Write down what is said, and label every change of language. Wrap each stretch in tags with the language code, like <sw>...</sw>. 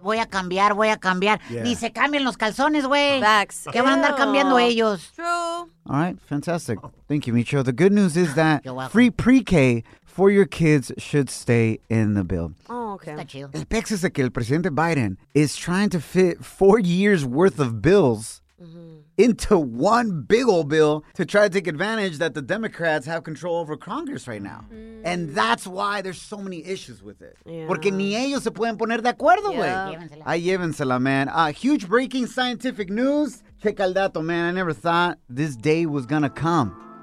<es>Voy a cambiar, voy a cambiar. Ni se cambien los calzones, güey.</es> <en>Facts.</en> <es>¿Qué van a andar cambiando ellos?</es> <en>True. All right, fantastic. Thank you, Micho. The good news is that free pre-K for your kids should stay in the bill. Okay.</en> <es>El pex es que el presidente</es> <en>Biden is trying to fit 4 years worth of bills into one big old bill to try to take advantage that the Democrats have control over Congress right now. And that's why there's so many issues with it. Yeah.</en> <es>Porque ni ellos se pueden poner de acuerdo, güey.</es> <en>Yeah.</en> <es>Llévensela,</es> <en>man. Huge breaking scientific news.</en> <es>Checa el dato,</es> <en>man. I never thought this day was gonna come.</en>